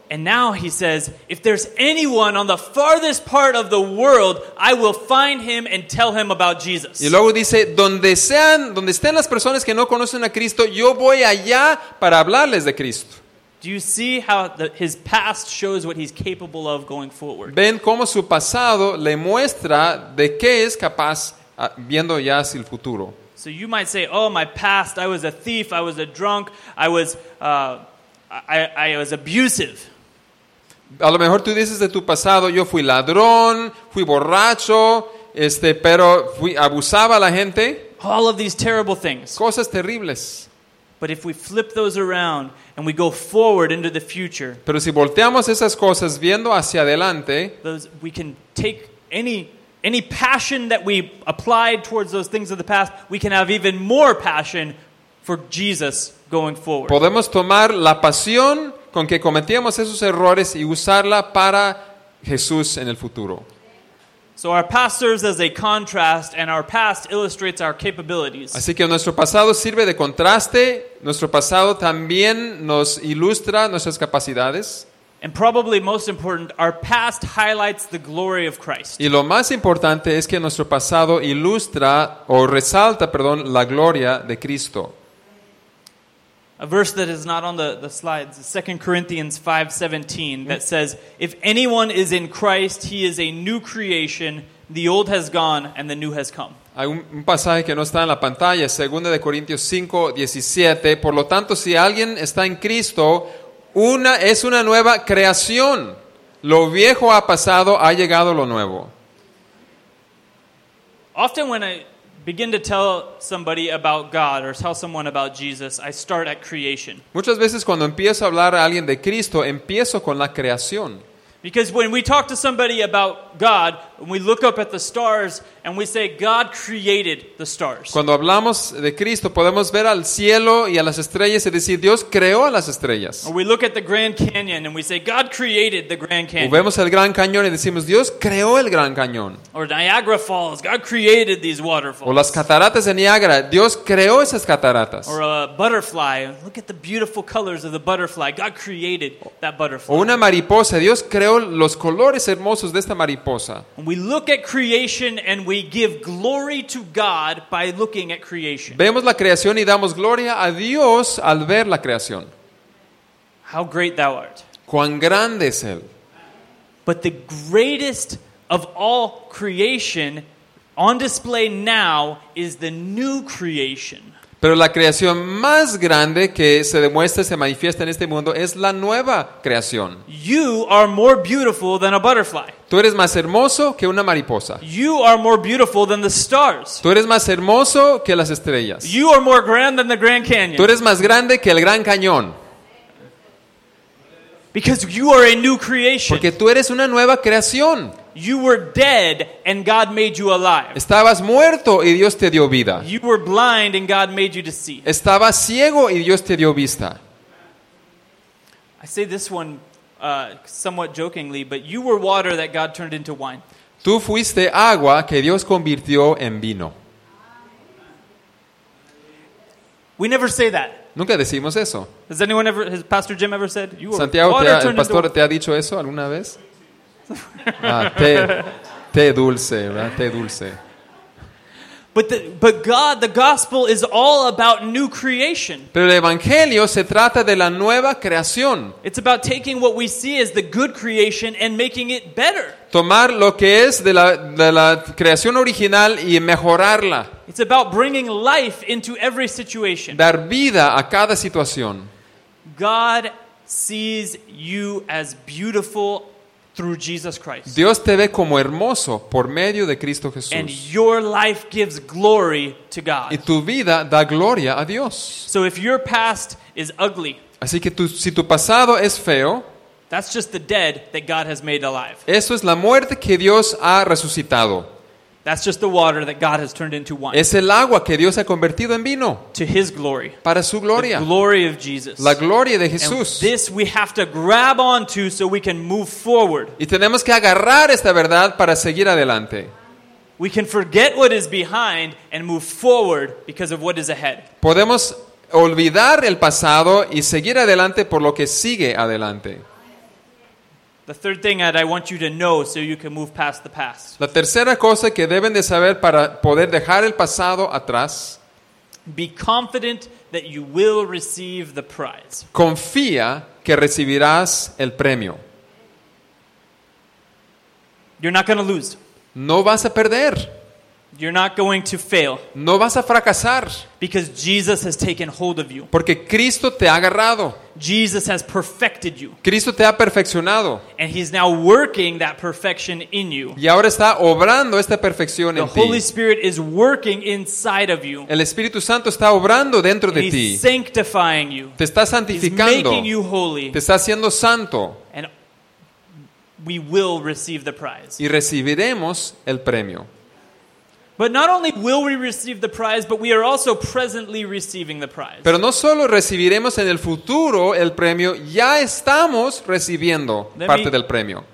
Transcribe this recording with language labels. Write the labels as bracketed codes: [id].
[en] And now he says, if there's anyone on the farthest part of the world, I will find him and tell him about Jesus. [es] Y luego dice, donde estén las personas que no conocen a Cristo, yo voy allá para hablarles de Cristo. [en] Do you see how his past shows what he's capable of going forward? [es] Ven cómo su pasado le muestra de qué es capaz viendo ya hacia el futuro. [en] So you might say, oh, my past, I was a thief, I was a drunk, I was abusive. [es] A lo mejor tú dices de tu pasado, yo fui ladrón, fui borracho, pero fui, abusaba a la gente. [en] All of these terrible things. [es] Cosas terribles. [en] But if we flip those around and we go forward into the future, [es] pero si volteamos esas cosas viendo hacia adelante, [en] we can take any passion that we applied towards those things of the past, we can have even more passion for Jesus going forward. [es] Podemos tomar la pasión con que cometíamos esos errores y usarla para Jesús en el futuro. [en] So our past serves as a contrast, and our past illustrates our capabilities. [es] Así que nuestro pasado sirve de contraste. Nuestro pasado también nos ilustra nuestras capacidades. [en] And probably most important, our past highlights the glory of Christ. [es] Y lo más importante es que nuestro pasado ilustra o resalta, perdón, la gloria de Cristo. [en] A verse that is not on the slides, 2 Corinthians 5:17, that says, if anyone is in Christ, he is a new creation. The old has gone and the new has come. [es] Hay un pasaje que no está en la pantalla, 2 Corintios 5:17. Por lo tanto, si alguien está en Cristo, es una nueva creación. Lo viejo ha pasado, ha llegado lo nuevo. [en] Often when I begin to tell somebody about God or tell someone about Jesus, I start at creation. [es] Muchas veces cuando empiezo a hablar a alguien de Cristo, empiezo con la creación. [en] Because when we talk to somebody about God, when we look up at the stars and we say God created the stars. [es] Cuando hablamos de Cristo, podemos ver al cielo y a las estrellas y decir Dios creó a las estrellas. [en] Or we look at the Grand Canyon and we say God created the Grand Canyon. [es] O vemos el Gran Cañón y decimos Dios creó el Gran Cañón. [en] Or Niagara Falls, God created these waterfalls. [es] O las cataratas de Niagara, Dios creó esas cataratas. [en] Or a butterfly, look at the beautiful colors of the butterfly. God created that butterfly. [es] O una mariposa, Dios creó los colores hermosos de esta mariposa. [en] And we look at creation and we give glory to God by looking at creation. [es] Vemos la creación y damos gloria a Dios al ver la creación. [en] How great thou art. [es] Cuán grande es él. [en] But the greatest of all creation on display now is the new creation. [es] Pero la creación más grande que se demuestra, se manifiesta en este mundo, es la nueva creación. [en] You are more beautiful than a butterfly. [es] Tú eres más hermoso que una mariposa. [en] You are more beautiful than the stars. [es] Tú eres más hermoso que las estrellas. [en] You are more grand than the Grand Canyon. [es] Tú eres más grande que el Gran Cañón. [en] Because you are a new creation. [es] Porque tú eres una nueva creación. [en] You were dead and God made you alive. [es] Estabas muerto y Dios te dio vida. [en] You were blind and God made you to see. [es] Estabas ciego y Dios te dio vista. [en] I say this one somewhat jokingly, but you were water that God turned into wine. [es] Tú fuiste agua que Dios convirtió en vino. [en] We never say that. [es] Nunca decimos eso. [en] Has anyone ever, has Pastor Jim ever said, you were [es] Santiago, [en] water turned [es] el pastor [en] into... [es] te ha dicho eso alguna vez? Ah, té dulce, ¿verdad? Té dulce. [en] But God, the gospel is all about new creation. [es] Pero el evangelio se trata de la nueva creación. [en] It's about taking what we see as the good creation and making it better. [es] Tomar lo que es de la creación original y mejorarla. [en] It's about bringing life into every situation. [es] Dar vida a cada situación. [en] God sees you as beautiful through Jesus Christ. [es] Dios te ve como hermoso por medio de Cristo Jesús. [en] And your life gives glory to God. [es] Y tu vida da gloria a Dios. [en] So if your past is ugly, [es] así que si tu pasado es feo, [en] that's just the dead that God has made alive. [es] Eso es la muerte que Dios ha resucitado. [en] That's just the water that God has turned into wine. [es] Es el agua que Dios ha convertido en vino. [en] To his glory. [es] Para su gloria. [en] The glory of Jesus. [es] La gloria de Jesús. [en] And this we have to grab onto so we can move forward. [es] Y tenemos que agarrar esta verdad para seguir adelante. [en] We can forget what is behind and move forward because of what is ahead. [es] Podemos olvidar el pasado y seguir adelante por lo que sigue adelante. [en] The third thing that I want you to know so you can move past the past. [es] La tercera cosa que deben de saber para poder dejar el pasado atrás. [en] Be confident that you will receive the prize. [es] Confía que recibirás el premio. [en] You're not going to lose. [es] No vas a perder. [en] You're not going to fail. [es] No vas a fracasar. [en] Because Jesus has taken hold of you. [es] Porque Cristo te ha agarrado. [en] Jesus has perfected you. [es] Cristo te ha perfeccionado. [en] And he's now working that perfection in you. [es] Y ahora está obrando esta perfección en ti. [en] The Holy Spirit is working inside of you. [es] El Espíritu Santo está obrando dentro de ti. [en] He's sanctifying you. [es] Te está santificando. [en] He's making you holy. [es] Te está haciendo santo. [en] And we will receive the prize. [es] Y recibiremos el premio. [en] But not only will we receive the prize, but we are also presently receiving the prize. [es] Pero no solo recibiremos en el futuro el premio, ya estamos recibiendo parte del premio.